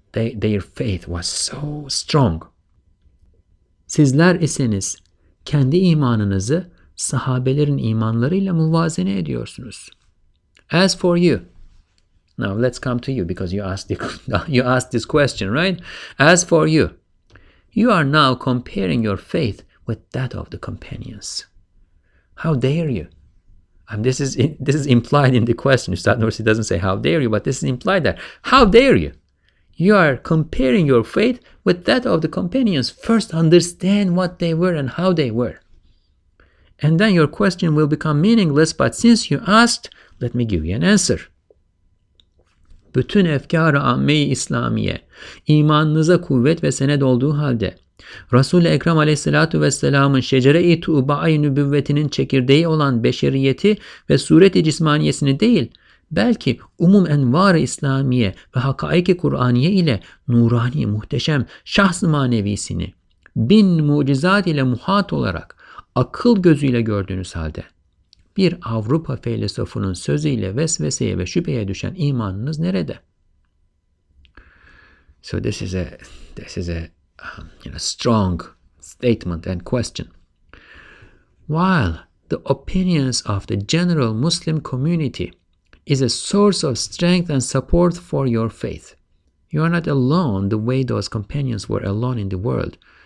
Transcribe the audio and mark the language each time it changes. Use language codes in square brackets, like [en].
[en] Their faith was so strong. [tr] Sizler iseniz kendi imanınızı sahabelerin imanlarıyla muvazene ediyorsunuz. [en] As for you, now let's come to you because you asked this question, right? As for you, you are now comparing your faith with that of the companions. How dare you? This is implied in the question. Ustad Nursi doesn't say how dare you, but this is implied there. How dare you? You are comparing your faith with that of the companions. First, understand what they were and how they were. And then your question will become meaningless, but since you asked, let me give you an answer. [tr] Bütün efkâr-ı âmme-i İslamiye, imanınıza kuvvet ve sened olduğu halde, Resul-i Ekrem aleyhissalatu vesselamın şecere-i tuğba-i nübüvvetinin çekirdeği olan beşeriyeti ve suret-i cismaniyesini değil, belki umum envar-ı İslamiye ve hakaik-i Kur'aniye ile nurani muhteşem şahs-ı manevisini bin mucizat ile muhat olarak akıl gözüyle gördüğünüz halde, bir Avrupa filozofunun sözüyle vesveseye ve şüpheye düşen imanınız nerede? [en] So this is a strong statement and question. While the opinions of the general Muslim community is a source of strength and support for your faith, you are not alone the way those companions were alone in the world.